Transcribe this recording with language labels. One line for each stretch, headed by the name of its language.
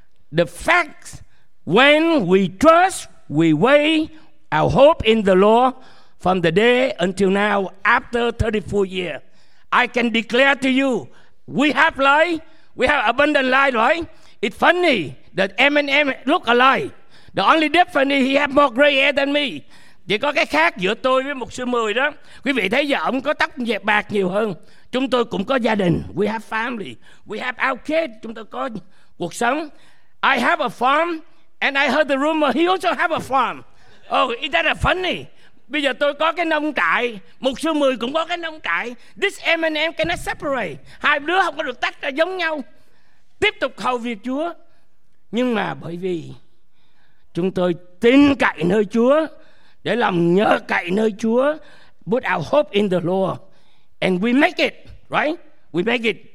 English: The fact when we trust, we wait our hope in the Lord from the day until now, after 34 years. I can declare to you, we have life. We have abundant life, right? It's funny that Eminem look alike. The only difference is he have more gray hair than me.
Vietnamese: Chỉ có cái khác giữa tôi với một sư mười đó. Quý vị thấy giờ ông có tóc dẹp bạc nhiều hơn. Chúng tôi cũng có gia đình.
English: We have family. We have our kids.
Vietnamese: Chúng tôi có cuộc sống.
English: I have a farm. And I heard the rumor he also have a farm. Oh, is that funny?
Vietnamese: Bây giờ tôi có cái nông trại. Một sư mười cũng có cái nông trại.
English: This M&M cannot separate.
Vietnamese: Hai đứa không có được tách ra giống nhau. Tiếp tục hầu việc Chúa. Nhưng mà bởi vì chúng tôi tin cậy nơi Chúa, để làm nhớ cậy nơi Chúa,
English: put our hope in the Lord, and we make it, right? We make it.